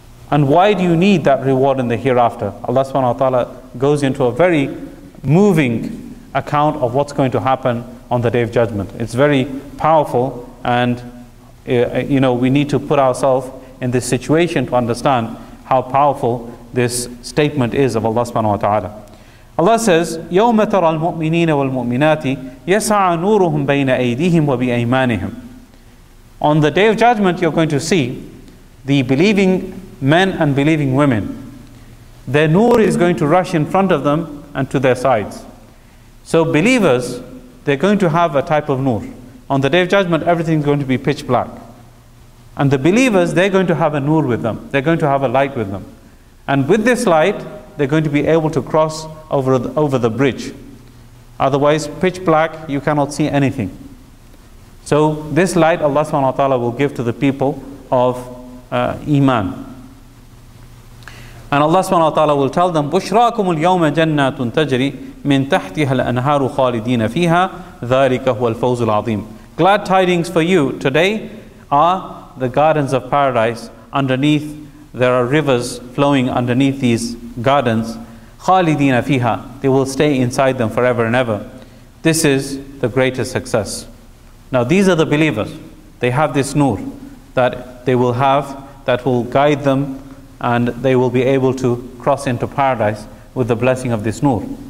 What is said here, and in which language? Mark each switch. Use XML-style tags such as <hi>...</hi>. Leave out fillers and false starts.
<en>And why do you need that reward in the hereafter? Allah subhanahu wa ta'ala goes into a very moving account of what's going to happen on the Day of Judgment. It's very powerful, and you know, we need to put ourselves in this situation to understand how powerful this statement is of Allah subhanahu wa ta'ala. Allah says,</en> <ar>يَوْمَ تَرَى الْمُؤْمِنِينَ وَالْمُؤْمِنَاتِ يَسَعَ نُورُهُمْ بَيْنَ أَيْدِيهِمْ وَبِأَيْمَانِهِمْ.</ar> <en>On the Day of Judgment, you're going to see the believing men and believing women. Their nur is going to rush in front of them and to their sides. So believers, they're going to have a type of nur. On the Day of Judgment, everything's going to be pitch black. And the believers, they're going to have a nur with them. They're going to have a light with them. And with this light, they're going to be able to cross over the bridge. Otherwise, pitch black, you cannot see anything. So this light Allah subhanahu wa ta'ala will give to the people of Iman. And Allah subhanahu wa ta'ala will tell them,</en> <ar>بُشْرَاكُمُ الْيَوْمَ جَنَّةٌ تَجْرِي مِنْ تَحْتِهَا الْأَنْهَارُ خَالِدِينَ فِيهَا ذَلِكَ هُوَ الْفَوْزُ الْعَظِيمُ.</ar> <en>Glad tidings for you today are the gardens of paradise. Underneath, there are rivers flowing underneath these gardens.</en> <ar>خَالِدِينَ فِيهَا.</ar> <en>They will stay inside them forever and ever. This is the greatest success. Now these are the believers. They have this nur that they will have, that will guide them, and they will be able to cross into paradise with the blessing of this nur.</en>